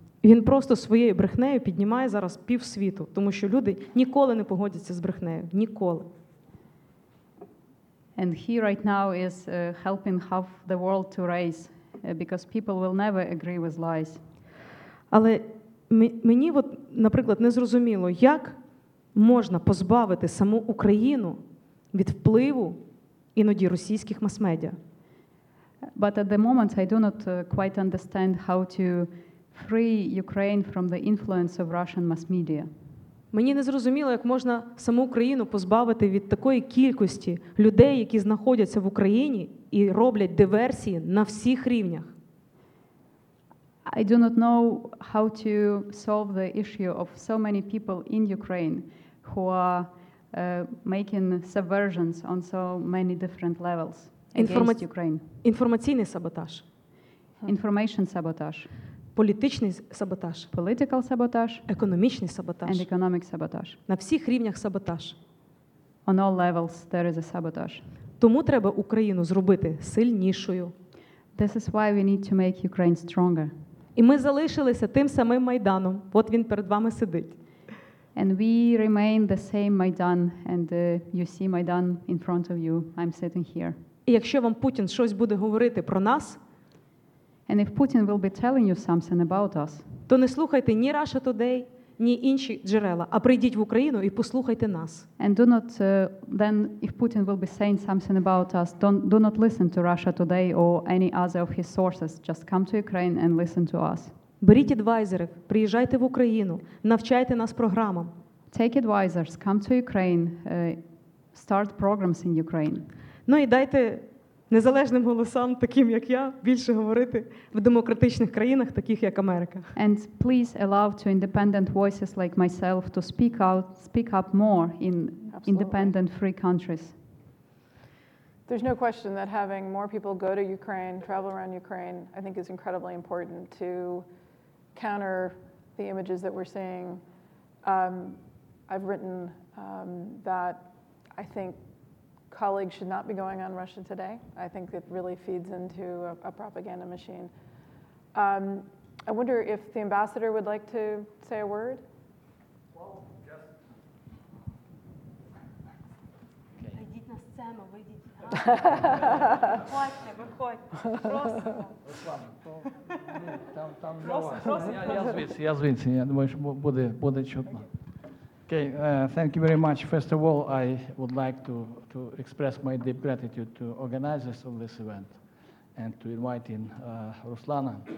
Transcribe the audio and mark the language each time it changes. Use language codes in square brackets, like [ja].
[uk] Він просто своєю брехнею піднімає зараз півсвіту, тому що люди ніколи не погодяться з брехнею, ніколи. [en] And he right now is helping half the world to raise because people will never agree with lies. [uk] Але мені от, наприклад, не зрозуміло, як можна позбавити саму Україну від впливу іноді російських мас-медіа. [en] But at the moment I do not quite understand how to free Ukraine from the influence of Russian mass media. [uk] Мені не зрозуміло, як можна саму Україну позбавити від такої кількості людей, які знаходяться в Україні і роблять диверсії на всіх рівнях. [en] I do not know how to solve the issue of so many people in Ukraine who are making subversions on so many different levels against Ukraine. [uk] Інформаційний саботаж. [en] Information саботаж. [uk] Політичний саботаж. [en] Political саботаж. [uk] Економічний саботаж. [en] And economic саботаж. [uk] На всіх рівнях саботаж. [en] On all levels there is a саботаж. [uk] Тому треба Україну зробити сильнішою. [en] This is why we need to make Ukraine stronger. [uk] І ми залишилися тим самим Майданом. От він перед вами сидить. [en] And we remain the same Майдан, and you see Майдан in front of you. I'm sitting here. [uk] І якщо вам Путін щось буде говорити про нас, [en] and if Putin will be telling you something about us, [uk] то не слухайте ні Russia Today, ні інші джерела, а прийдіть в Україну і послухайте нас. [en] And do not then if Putin will be saying something about us, do not listen to Russia Today or any other of his sources. Just come to Ukraine and listen to us. [uk] Беріть адвайзерів, приїжджайте в Україну, навчайте нас програмам. [en] Take advisors, come to Ukraine, start programs in Ukraine. [uk] Ну і дайте незалежним голосам, таким як я, більше говорити в демократичних країнах, таких як Америка. [en] And please allow to independent voices like myself to speak up more in Absolutely. Independent free countries. There's no question that having more people go to Ukraine, travel around Ukraine, I think is incredibly important to counter the images that we're seeing. I've written that I think colleagues should not be going on Russia Today. I think it really feeds into a propaganda machine. I wonder if the ambassador would like to say a word? Well, just... [uk] Вийдіть на сцену, вийдіть. Виходьте, виходьте. Просимо. Я звідси, я думаю, що буде чутно. [en] Okay, thank you very much. First of all, I would like to express my deep gratitude to organizers of this event and to invite in Ruslana.